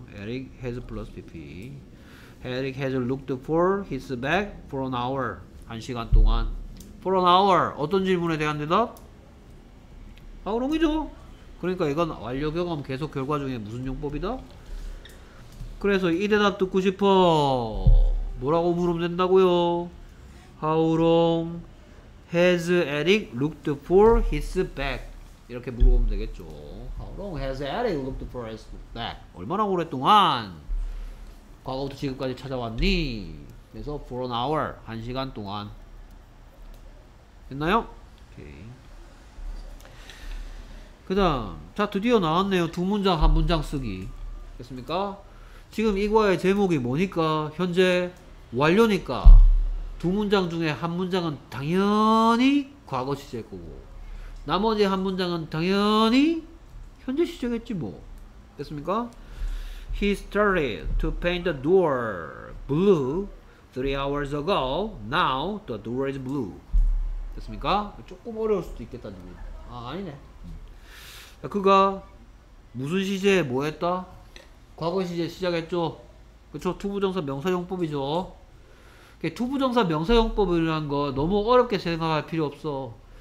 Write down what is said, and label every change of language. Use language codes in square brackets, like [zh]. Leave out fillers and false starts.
[en] Eric has plus pp. Eric has looked for his bag for an hour. [ko] 한 시간 동안. [en] For an hour. [ko] 어떤 질문에 대한 대답? [en] How long [ko] 이죠. 그러니까 이건 완료 경험 계속 결과 중에 무슨 용법이다? 그래서 이 대답 듣고 싶어. 뭐라고 물으면 된다고요? [en] How long has Eric looked for his bag? [ko] 이렇게 물어보면 되겠죠. [en] How long has Eric looked for his bag? [ko] 얼마나 오랫동안 과거부터 지금까지 찾아왔니? 그래서 [en] for an hour, [ko] 한 시간 동안. 됐나요? 오케이. 그 다음, 자 드디어 나왔네요. 두 문장, 한 문장 쓰기. 됐습니까? 지금 이 과의 제목이 뭐니까? 현재 완료니까 두 문장 중에 한 문장은 당연히 과거 시제일 거고 나머지 한 문장은 당연히 현재 시제겠지 뭐. 됐습니까? [en] He started to paint the door blue 3 hours ago. Now the door is blue. [ko] 됐습니까? 조금 어려울 수도 있겠다. 아, 아니네. 자, 그가 무슨 시제에 뭐 했다? 과거 시제 시작했죠. 그쵸? 투부정사 명사용법이죠. 투부정사 명사용법이라는 거 너무 어렵게 생각할 필요 없어.